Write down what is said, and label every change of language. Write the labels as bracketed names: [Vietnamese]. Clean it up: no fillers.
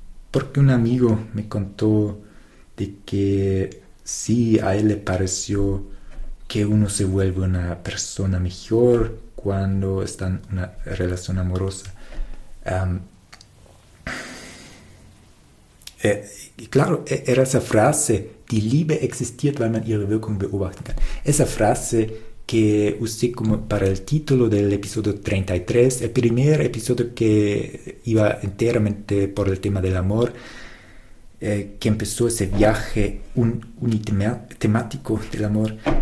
[Spanish] Porque un amigo me contó de que sí, a él le pareció que uno se vuelve una persona mejor cuando está en una relación amorosa. Y claro, era esa frase, [German] die Liebe existiert, weil man ihre Wirkung beobachten kann. [Spanish] Esa frase que usé como para el título del episodio 33, el primer episodio que iba enteramente por el tema del amor, que empezó ese viaje temático del amor.